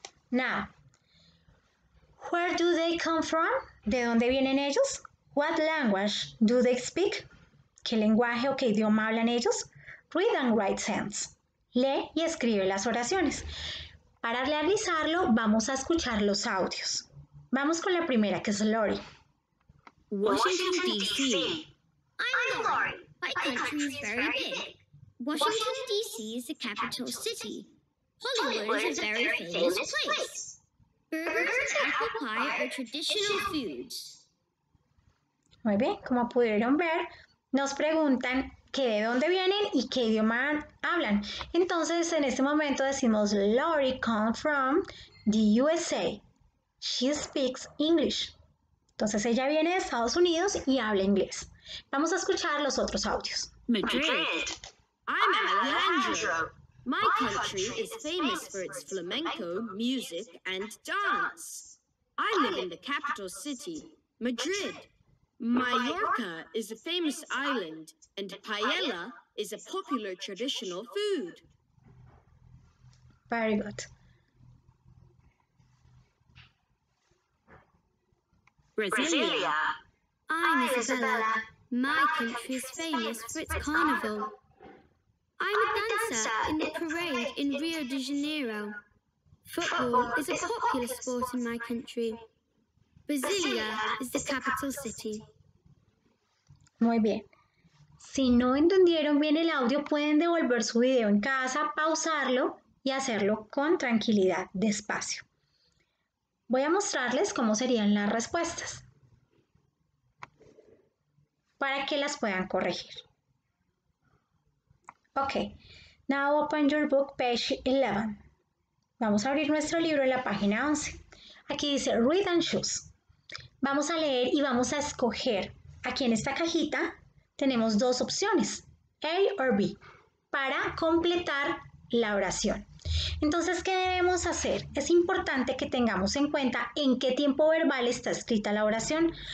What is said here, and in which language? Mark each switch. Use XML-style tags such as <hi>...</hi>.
<en>Now, where do they come from?</en> <es>¿De dónde vienen ellos?</es> <en>What language do they speak?</en> <es>¿Qué lenguaje o qué idioma hablan ellos?</es> <en>Read and write sentence.</en> <es>Lee y escribe las oraciones. Para realizarlo, vamos a escuchar los audios. Vamos con la primera, que es Lori.</es> <en>Washington, D.C. I'm Lori. My country is very big. Washington, D.C. is the capital city. Hollywood is a very famous place. Burgers and apple pie are traditional foods.</en> <es>Muy bien, como pudieron ver, nos preguntan que de dónde vienen y qué idioma hablan. Entonces, en este momento decimos,</es> <en>Lori come from the USA. She speaks English.</en> <es>Entonces ella viene de Estados Unidos y habla inglés. Vamos a escuchar los otros audios.</es> <en>Madrid. I'm Alejandro. My country is famous for its flamenco, music, and dance. I live in the capital city, Madrid. Mallorca is a famous island, and paella is a popular traditional food. Very good. Brasilia. I'm Isabella. My country is famous for its carnival. I'm a dancer in the parade in Rio de Janeiro. Football is a popular sport in my country. Brasilia is the capital city.</en> <es>Muy bien. Si no entendieron bien el audio, pueden devolver su video en casa, pausarlo y hacerlo con tranquilidad, despacio. Voy a mostrarles cómo serían las respuestas para que las puedan corregir.</es> <en>Ok, now open your book, page 11.</en> <es>Vamos a abrir nuestro libro en la página 11. Aquí dice</es> <en>read and choose.</en> <es>Vamos a leer y vamos a escoger. Aquí en esta cajita tenemos dos opciones, A o B, para completar la oración. Entonces, ¿qué debemos hacer? Es importante que tengamos en cuenta en qué tiempo verbal está escrita la oración.</es>